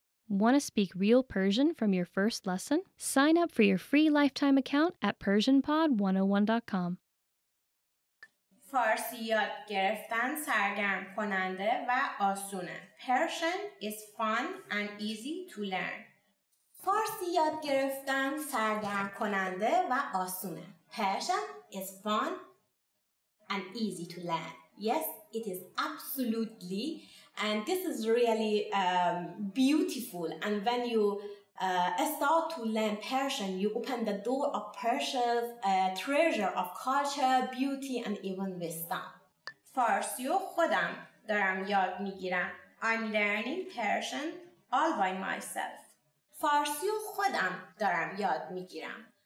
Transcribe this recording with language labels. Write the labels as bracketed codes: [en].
[en] Want to speak real Persian from your first lesson? Sign up for your free lifetime account at PersianPod101.com. [fa] فارسی یاد گرفتن سرگرم کننده و آسونه. [en] Persian is fun and easy to learn. [fa] فارسی یاد گرفتن سرگرم کننده و آسونه. [en] Persian is fun and easy to learn. Yes, it is absolutely. And this is really beautiful. And when you start to learn Persian, you open the door of Persia's treasure of culture, beauty, and even wisdom. [fa] فارسیو خودم دارم یاد میگیرم. [en] I'm learning Persian all by myself. [fa] فارسیو خودم دارم یاد میگیرم.